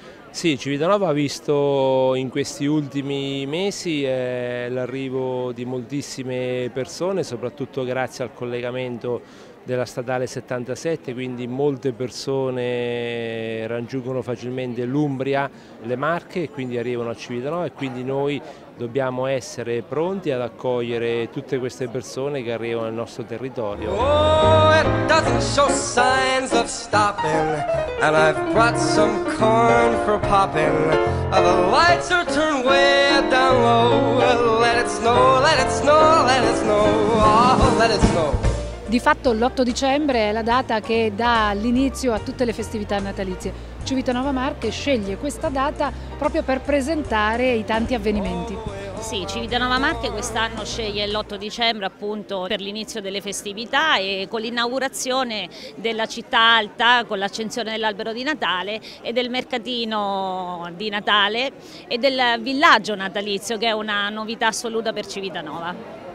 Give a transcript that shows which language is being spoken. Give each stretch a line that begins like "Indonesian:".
Italian: Sì, Civitanova ha visto in questi ultimi mesi l'arrivo di moltissime persone, soprattutto grazie al collegamento della statale 77, quindi molte persone raggiungono facilmente l'Umbria, le Marche e quindi arrivano a Civitanova e quindi noi dobbiamo essere pronti ad accogliere tutte queste persone che arrivano nel nostro territorio.
English: Oh, it doesn't show signs of stopping, and I've brought some corn for popping. The lights are turned way down low. Let it snow, let it snow, let it snow, oh, let it snow.
Italian: Di fatto l'8 dicembre è la data che dà l'inizio a tutte le festività natalizie. Civitanova Marche sceglie questa data proprio per presentare i tanti avvenimenti. Sì, Civitanova Marche quest'anno sceglie l'8 dicembre appunto per l'inizio delle festività e con l'inaugurazione della città alta, con l'accensione dell'albero di Natale e del mercatino di Natale e del villaggio natalizio che è una novità assoluta per Civitanova.